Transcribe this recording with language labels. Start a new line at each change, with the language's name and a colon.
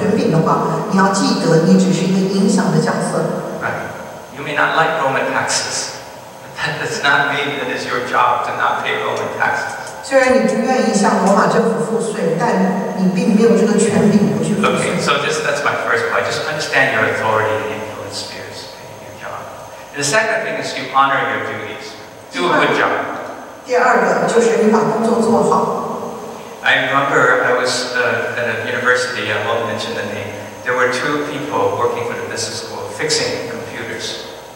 Chinese: 所以如果你有这个权柄做决定的时候，你就做决定。但如果你没有这个权柄的话，你要记得，你只是一个影响的角色。
English: You may not like Roman taxes. That does not mean that it's your job to not pay Roman taxes.
Chinese: 虽然你不愿意向罗马政府付税，但你并没有这个权柄不去付税。
English: Okay, so that's my first point. Just understand your authority and influence spheres in your job. And the second thing is you honor your duties. Do a good job.
Chinese: 第二个就是你把工作做好。
English: I remember I was at a university, I won't mention the name. There were two people working for the business school fixing computers.